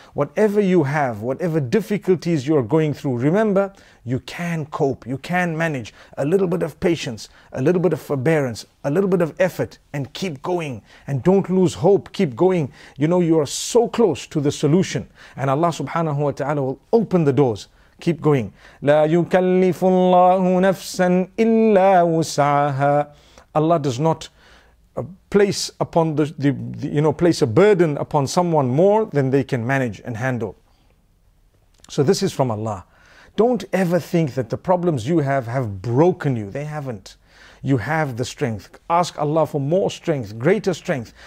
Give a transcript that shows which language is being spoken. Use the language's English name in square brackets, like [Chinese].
[English] Whatever you have, whatever difficulties you're going through, remember, you can cope, you can manage. A little bit of patience, a little bit of forbearance, a little bit of effort, and keep going. And don't lose hope, keep going. You know, you are so close to the solution. And Allah subhanahu wa ta'ala will open the doors. Keep going. [Arabic] لا يكلف الله نفسا إلا وسعها. [English] Allah does not place upon the place a burden upon someone more than they can manage and handle. So this is from Allah. Don't ever think that the problems you have broken you. They haven't. You have the strength. Ask Allah for more strength, greater strength.